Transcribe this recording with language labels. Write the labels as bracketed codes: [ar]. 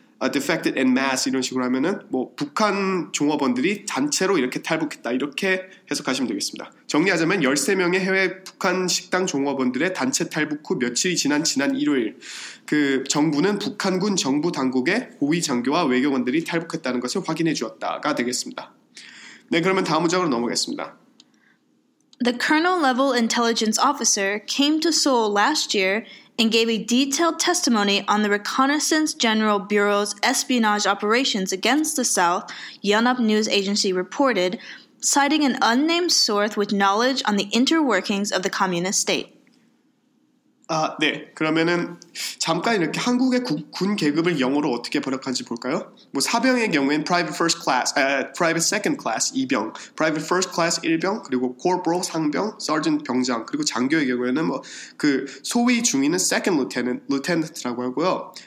[en] defected en masse [ko] 이런 식으로 하면은 뭐 북한 종업원들이 단체로 이렇게 탈북했다 이렇게 해석하시면 되겠습니다. 정리하자면 13명의 해외 북한 식당 종업원들의 단체 탈북 후 며칠이 지난 일요일 그 정부는 북한군 정부 당국의 고위 장교와 외교관들이 탈북했다는 것을 확인해 주었다가 되겠습니다. 네, 그러면 다음 문장으로 넘어가겠습니다. [en] The colonel-level intelligence officer came to Seoul last year and gave a detailed testimony on the Reconnaissance General Bureau's espionage operations against the South, Yonhap News Agency reported, citing an unnamed source with knowledge on the interworkings of the communist state. [ko] 아, 네. 그러면은 잠깐 이렇게 한국의 군 계급을 영어로 어떻게 번역하는지 볼까요? 뭐 사병의 경우엔 private first class, private second class 2병, private first class 1병, 그리고 corporal 상병, sergeant 병장, 그리고 장교의 경우에는 뭐 그 소위 중위는 second lieutenant, lieutenant라고 하고요.